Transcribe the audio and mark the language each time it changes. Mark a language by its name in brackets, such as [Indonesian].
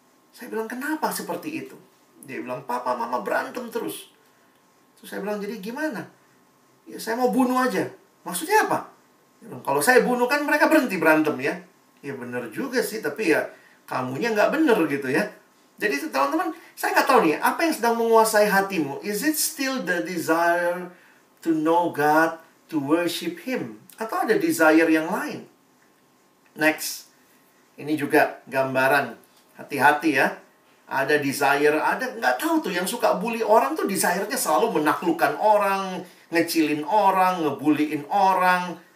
[Indonesian] Saya bilang, kenapa seperti itu? Dia bilang, papa, mama berantem terus. Terus saya bilang, jadi gimana? Ya, saya mau bunuh aja. Maksudnya apa? Dia bilang, kalau saya bunuh kan mereka berhenti berantem ya. Ya benar juga sih, tapi ya kamunya nggak benar gitu ya. Jadi teman-teman, saya nggak tahu nih, apa yang sedang menguasai hatimu? [English] Is it still the desire to know God, to worship Him? [Indonesian] Atau ada desire yang lain? Next. Ini juga gambaran. Hati-hati ya. Ada desire, ada nggak tahu tuh yang suka bully orang tuh desire-nya selalu menaklukkan orang, ngecilin orang, ngebuliin orang.